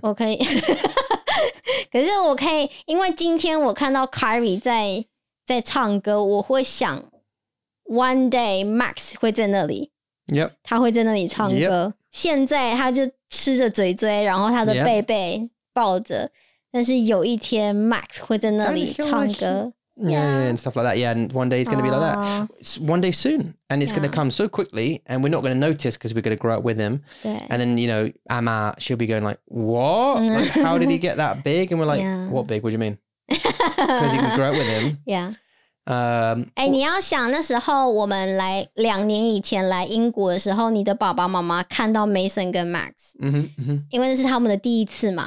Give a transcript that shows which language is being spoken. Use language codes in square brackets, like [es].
[zh] 我可以，可是我可以，因为今天我看到 Carrie 在唱歌，我会想 ， [en] one day [zh] Max 会在那里。 [en] Yep. [zh] 他会在那里唱歌。 [en] Yep. [zh] 现在他就吃着嘴嘴，然后他的贝贝抱着。 [en] Yeah. [zh] 但是有一天 ，Max 会在那里唱歌。 [en] Yeah, and stuff like that. Yeah, and one day it's going to be like that. One day soon, and it's going to come so quickly, and we're not going to notice because we're going to grow up with him. And then you know, Emma, she'll be going like, "What? Like, how did he get that big?" And we're like, "What big? What do you mean?" Because he can grow up with him. Yeah. [zh] 你要想那时候我们来两年以前来英国的时候你的爸爸妈妈看到 Mason 跟 Max 因为那是他们的第一次嘛